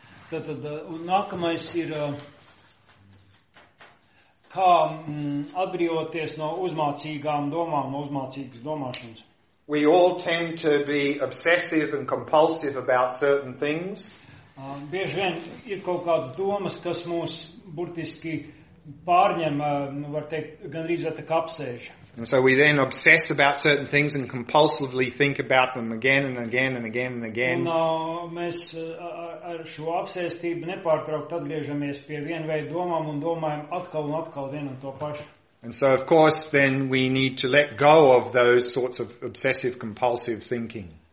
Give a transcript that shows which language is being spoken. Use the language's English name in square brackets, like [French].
[Latvian] Tad, un nākamais ir kā atbrīvoties no uzmācīgām domām, no uzmācīgas domāšanas. [English] We all tend to be obsessive and compulsive about certain things. [Latvian] Bieži vien ir kaut kādas domas, kas mūs burtiski pārņem, nu var teikt, gandrīz vai tā kā apsēž. [English] And so we then obsess about certain things and compulsively think about them again and again and again and again. [Latvian] Un mēs ar šo apsēstību nepārtraukt atgriežamies pie vienveida domām un domājam atkal un atkal vienu un to pašu. [English] And so of course then we need to let go of those sorts of obsessive compulsive thinking.